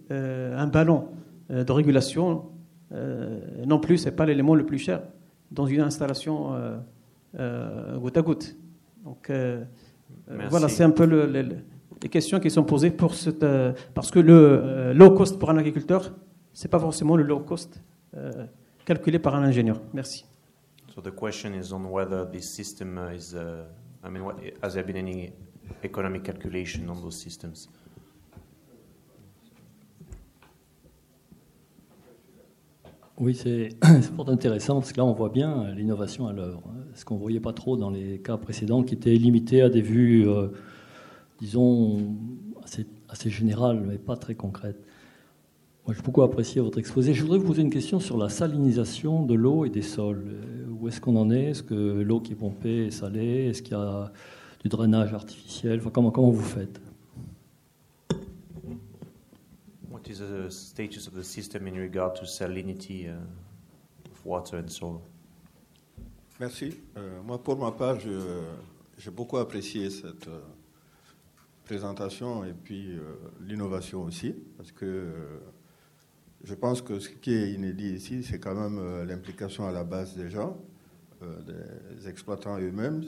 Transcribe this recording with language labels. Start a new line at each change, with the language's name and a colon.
French: Un ballon de régulation, non plus, ce n'est pas l'élément le plus cher dans une installation goutte à goutte. Donc, voilà, c'est un peu les questions qui sont posées pour cette, parce que le low cost pour un agriculteur, ce n'est pas forcément le low cost calculé par un ingénieur. Merci.
English: So the question is on whether this system is, I mean, what, has there been any economic calculation on those systems?
French: Oui, c'est fort intéressant parce que là, on voit bien l'innovation à l'œuvre. Ce qu'on ne voyait pas trop dans les cas précédents qui étaient limités à des vues, disons, assez générales, mais pas très concrètes. Moi, j'ai beaucoup apprécié votre exposé. Je voudrais vous poser une question sur la salinisation de l'eau et des sols. Où est-ce qu'on en est? Est-ce que l'eau qui est pompée est salée? Est-ce qu'il y a du drainage artificiel? Enfin, comment vous faites?
English: What is the status of the system in regard to salinity of water and soil?
French: Merci. Moi, pour ma part, j'ai beaucoup apprécié cette présentation et puis l'innovation aussi, parce que je pense que ce qui est inédit ici, c'est quand même l'implication à la base des gens, des exploitants eux-mêmes.